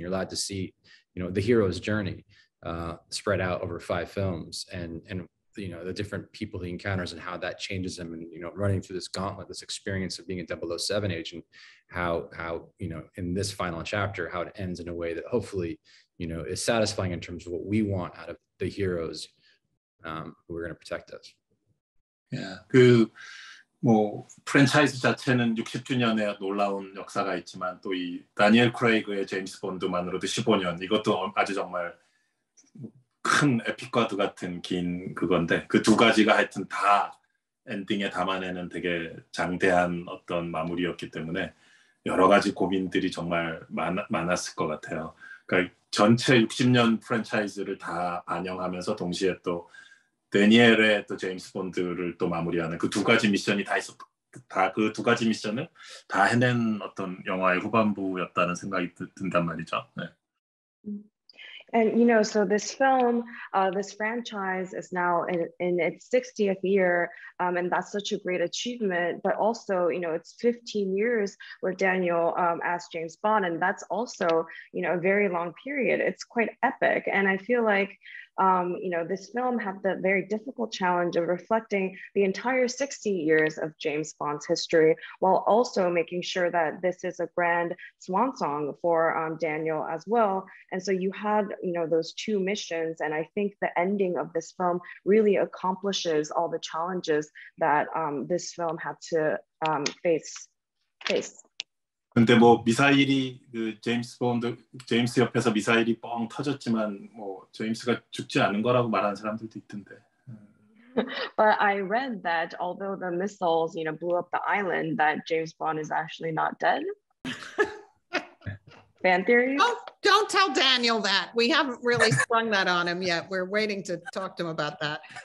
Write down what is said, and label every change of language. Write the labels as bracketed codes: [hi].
[en] You're allowed to see, you know, the hero's journey spread out over five films and you know, the different people he encounters and how that changes him. And, you know, running through this gauntlet, this experience of being a 007 agent, how you know, in this final chapter, how it ends in a way that hopefully, you know, is satisfying in terms of what we want out of the heroes who are going to protect us. Yeah. [ko] 그 뭐 프랜차이즈 자체는 60주년의 놀라운 역사가 있지만 또 이 다니엘 크레이그의 제임스 본드만으로도 15년 이것도 아주 정말 큰 에픽과드 같은 긴 그건데 그 두 가지가 하여튼 다 엔딩에 담아내는 되게 장대한 어떤 마무리였기 때문에 여러 가지 고민들이 정말 많았을 것 같아요. 그러니까 전체 60년 프랜차이즈를 다 반영하면서 동시에 또 데니엘의 또 제임스 본드를 또 마무리하는 그 두 가지 미션이 다 있었고 다 그 두 가지 미션을 다 해낸 어떤 영화의 후반부였다는 생각이 든단 말이죠. 네. [en] And, you know, so this film, this franchise is now in its 60th year, and that's such a great achievement. But also, you know, it's 15 years with Daniel as James Bond, and that's also, you know, a very long period. It's quite epic. And I feel like, you know, this film had the very difficult challenge of reflecting the entire 60 years of James Bond's history, while also making sure that this is a grand swan song for Daniel as well. And so you had, you know, those two missions, and I think the ending of this film really accomplishes all the challenges that this film had to face. [ko] 근데 뭐 미사일이 그 제임스 본드 제임스 옆에서 미사일이 뻥 터졌지만 뭐 제임스가 죽지 않은 거라고 말하는 사람들도 있던데. [en] But I read that although the missiles, you know, blew up the island, that James Bond is actually not dead. Fan theory? Oh, don't tell Daniel that. We haven't really sprung that on him yet. We're waiting to talk to him about that.